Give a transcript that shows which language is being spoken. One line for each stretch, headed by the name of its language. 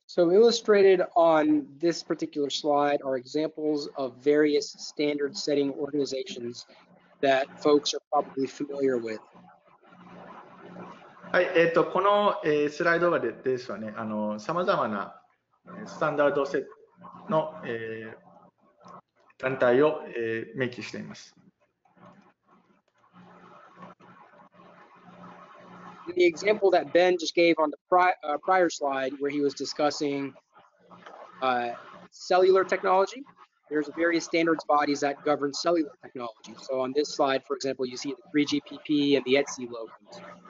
English: So illustrated on this particular slide are examples of various standard setting organizations that folks are probably familiar with.
Japanese: はい、この、スライドがですはね、さまざまなスタンダードセットの、団体を、明記しています。
English: The example that Ben just gave on the prior slide, where he was discussing、cellular technology, there's various standards bodies that govern cellular technology. So on this slide, for example, you see the 3GPP and the ETSI logos.